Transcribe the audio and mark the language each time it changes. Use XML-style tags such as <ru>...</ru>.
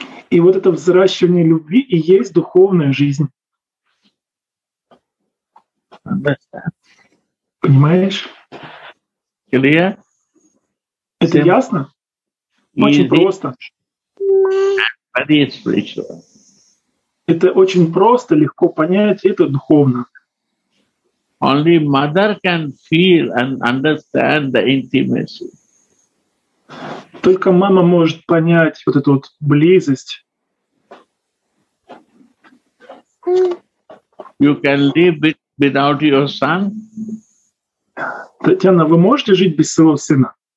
<ru>И вот это взращивание любви и есть духовная жизнь.</ru> <en>Understand?</en> <ru>Понимаешь?</ru> <en>Clear?</en> <ru>Это ясно? Очень просто.</ru> <en>But it's spiritual.</en> <ru>Это очень просто, легко понять, это духовно.</ru> <en>Only mother can feel and understand the intimacy.</en> <ru>Только мама может понять вот эту вот близость.</ru> <en>You can live without your son?</en> <ru>Татьяна, вы можете жить без своего сына?</ru>